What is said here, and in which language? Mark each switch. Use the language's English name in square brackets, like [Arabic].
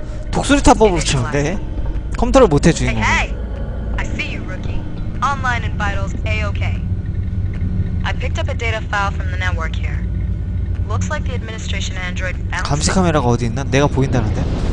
[Korean] 독수리 탑법으로 치는데 컴퓨터를 못해 주인공. [English] Hey, hey. I see you, rookie. Online and vitals A-OK. I picked up a data file from the network here. Looks like the administration android found. [Korean] 감시 카메라가 어디 있나? 내가 보인다는데.